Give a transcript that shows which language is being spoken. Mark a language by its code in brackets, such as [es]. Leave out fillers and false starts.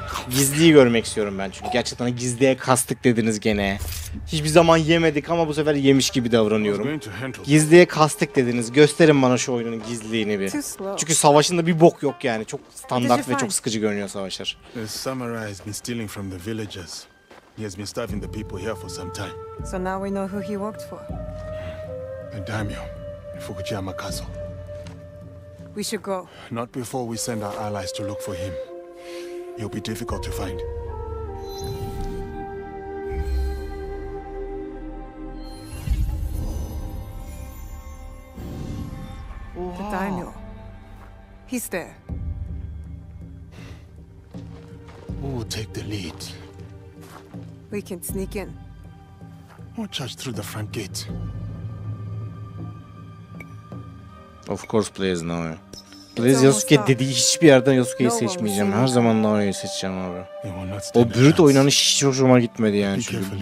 [tr] Gizliyi görmek istiyorum ben çünkü. Gerçekten gizliye kastık dediniz gene. Hiçbir zaman yemedik ama bu sefer yemiş gibi davranıyorum. Gizliye kastık dediniz. Gösterin bana şu oyunun gizliğini bir. Çünkü savaşında bir bok yok yani. Çok standart ve çok sıkıcı görünüyor savaşlar. [en] Samurai has been stealing from the villagers. He has been starving the people here for some time. So now we know who he worked for. A daimyo in Fukuchiyama Castle. We should go. Not before we send our allies to look for him. He'll be difficult to find. The daimyo. He's there. Who will take the lead? We can sneak in. We'll charge through the front gate. Of course, please, no. [tr] Please Yasuke dediği hiçbir yerden Yasuke'yi seçmeyeceğim. Her zaman Nao'yu seçeceğim abi. O brüt oynanış hiç hoşuma gitmedi yani çünkü.